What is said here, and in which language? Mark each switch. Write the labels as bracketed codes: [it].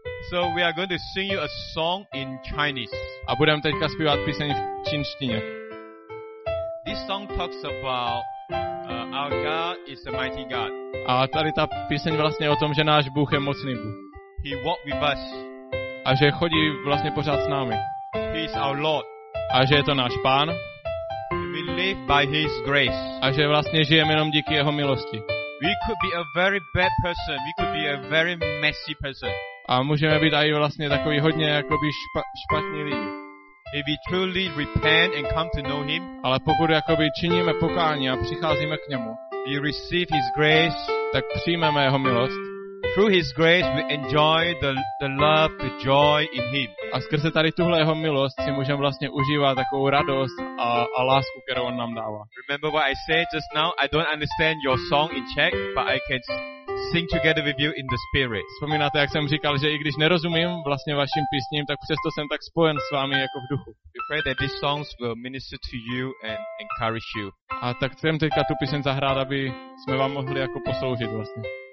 [en] So we are going to sing you a song in Chinese. [cs] A budeme teďka zpívat píseň v čínštině. [en] This song talks about our God is a mighty God. [cs] A tady ta píseň vlastně je o tom, že náš Bůh je mocný Bůh. [en] He walk with us. [cs] A že chodí vlastně pořád s námi. [en] He is our Lord. [cs] A že je to náš Pán. [en] We live by His grace. [cs] A že vlastně žijeme jenom díky jeho milosti. [en] We could be a very bad person. We could be a very messy person. [cs] A můžeme být aj vlastně takový hodně jakoby špatní lidi. [en] If we truly repent and come to know Him. [cs] Ale pokud jakoby činíme pokání a přicházíme k němu. [en] We receive His grace. [cs] Tak přijmeme jeho milost. [en] Through His grace we enjoy the love, the joy in Him. [cs] A skrze tady tuhle jeho milost si můžeme vlastně užívat takovou radost a lásku, kterou on nám dává. [en] Remember what I said just now, I don't understand your song in Czech, but I can sing together with you in the spirit. [cs] Vzpomínáte, jak jsem říkal, že i když nerozumím vlastně vašim písním, tak přesto jsem tak spojen s vámi jako v duchu. [en] We pray that these songs will minister to you and encourage you. [cs] A tak chceme teďka tu píseň zahrát, aby jsme vám mohli jako posloužit vlastně.